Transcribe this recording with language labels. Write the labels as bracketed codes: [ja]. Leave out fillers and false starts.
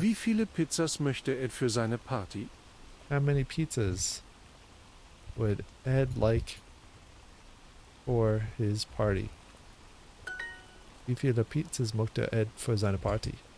[de] Wie viele Pizzas möchte Ed für seine Party? [en] How many pizzas would Ed like for his party? [de] Wie viele Pizzas möchte Ed für seine Party?